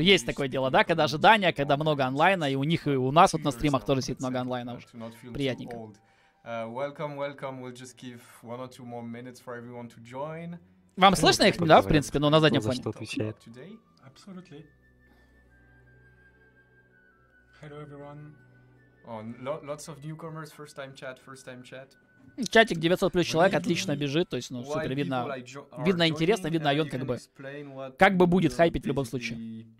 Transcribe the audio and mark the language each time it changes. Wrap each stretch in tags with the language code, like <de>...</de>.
<ru>Есть такое дело, да, когда ожидания, когда много онлайна, и у них, и у нас вот на стримах тоже сидит много онлайна уже. Приятненько.</ru> <en>Welcome, welcome, we'll just give one or two more minutes for everyone to join.</en> <ru>Вам слышно их, да, в принципе, но на заднем фоне? Кто за что отвечает? Абсолютно.</ru> <en>Hello everyone. Oh, lots of newcomers, first time chat.</en> <ru>Чатик 900 плюс человек, отлично бежит, то есть, ну, супер, видно, видно интересно, видно, и он как бы будет хайпить в любом случае.</ru>